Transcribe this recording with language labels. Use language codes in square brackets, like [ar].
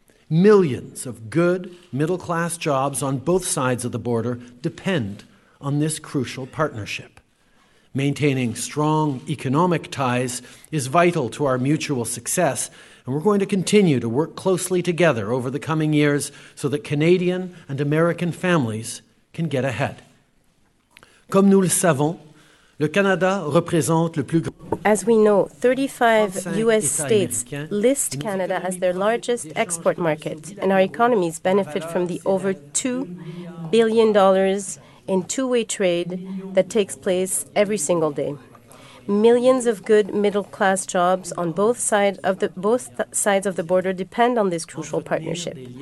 [en] Millions of good middle-class jobs on both sides of the border depend on this crucial partnership. Maintaining strong economic ties is vital to our mutual success, and we're going to continue to work closely together over the coming years so that Canadian and American families can get ahead. [fr] Comme nous le savons, le Canada représente le plus grand. [en] As we know, 35 U.S. states list Canada as their largest export market, and our economies benefit from the over $2 billion in two-way trade that takes place every single day. Millions of good middle-class jobs on both sides of the border depend on this crucial partnership.